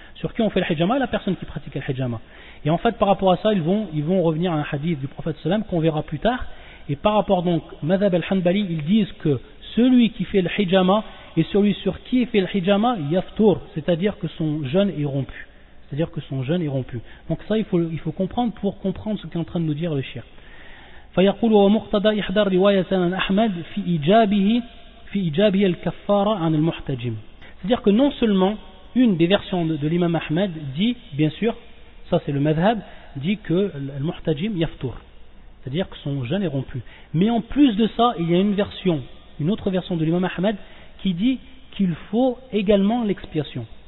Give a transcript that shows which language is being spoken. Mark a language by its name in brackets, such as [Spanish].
[French] Sur qui on fait al-hijama et la personne qui pratique al-hijama. Et en fait, par rapport à ça, ils vont revenir à un hadith du prophète sallam qu'on verra plus tard. Et par rapport donc à Madhab al-Hanbali, ils disent que celui qui fait al-hijama et celui sur qui fait al-hijama, yaftur. C'est-à-dire que son jeûne est rompu. C'est-à-dire que son jeûne est rompu. Donc ça, il faut comprendre pour comprendre ce qu'est en train de nous dire le shir. [Arabic] فيقول ومقتضى إحضار رواية عن أحمد في إجابه الكفارة عن المحتجم. [French] C'est-à-dire que non seulement une des versions de l'imam Ahmed dit, bien sûr, ça c'est le madhhab, dit que le muhtajim yaftur, c'est-à-dire que son jeûne est rompu. Mais en plus de ça, il y a une autre version de l'imam Ahmed qui dit qu'il faut également l'expiation.